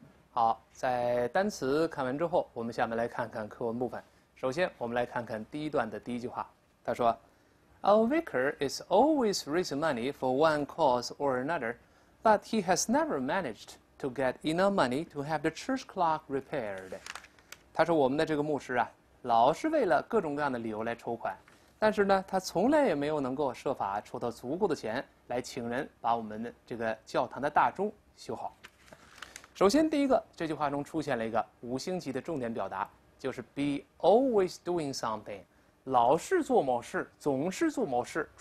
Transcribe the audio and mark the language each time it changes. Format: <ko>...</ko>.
<zh>好，在单词看完之后，我们下面来看看课文部分。首先，我们来看看第一段的第一句话，他说：“</zh> <en>Our vicar is always raising money for one cause or another, but he has never managed to get enough money to have the church clock repaired。</en> <zh>”他说：“我们的这个牧师啊，老是为了各种各样的理由来筹款，但是呢，他从来也没有能够设法筹到足够的钱来请人把我们的这个教堂的大钟修好。” 首先，第一个这句话中出现了一个五星级的重点表达，就是</zh> <en>be always doing something，</en> <zh>老是做某事，总是做某事。</zh>